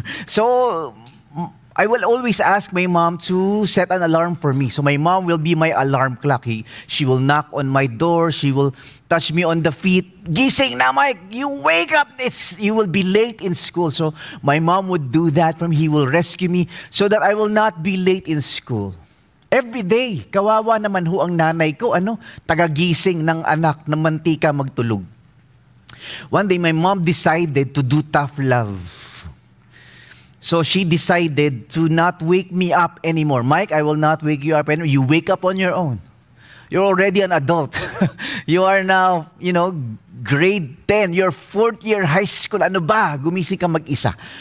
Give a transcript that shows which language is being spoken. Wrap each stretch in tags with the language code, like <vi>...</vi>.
<en>So I will always ask my mom to set an alarm for me. So my mom will be my alarm clock. She will knock on my door. She will touch me on the feet.</en> <tl>Gising na, Mike.</tl> <en>You wake up. You will be late in school. So my mom would do that for me. He will rescue me so that I will not be late in school. Every day,</en> <tl>kawawa naman ho ang nanay ko. Ano? Tagagising ng anak na mantika magtulog.</tl> <en>One day, my mom decided to do tough love. So she decided to not wake me up anymore. Mike, I will not wake you up anymore. You wake up on your own. You're already an adult. You are now, you know, grade 10. You're fourth year high school.</en> <tl>Ano ba? Gumising ka mag-isa.</tl>